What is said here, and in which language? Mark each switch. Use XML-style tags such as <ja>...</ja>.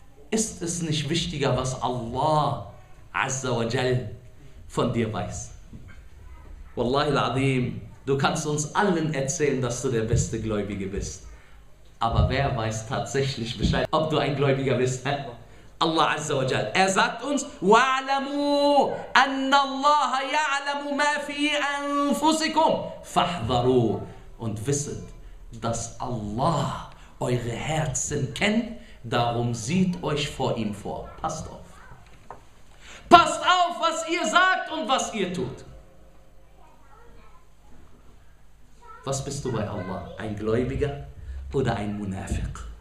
<de>Ist es nicht wichtiger, was Allah Azza wa Jal von dir weiß? Wallahi al-Azim, du kannst uns allen erzählen, dass du der beste Gläubige bist. Aber wer weiß tatsächlich Bescheid, ob du ein Gläubiger bist? Hä? Allah Azza wa Jal. Er sagt uns,</de> <ar>وَعْلَمُوا أَنَّ اللَّهَ يَعْلَمُ مَا فِي أَنفُسِكُمْ فَاحْذَرُوا.</ar> <de>Und wisset, dass Allah eure Herzen kennt, darum sieht euch vor ihm vor. Passt auf. Passt auf, was ihr sagt und was ihr tut. Was bist du bei Allah? Ein Gläubiger? Oder ein Munafiq?</de>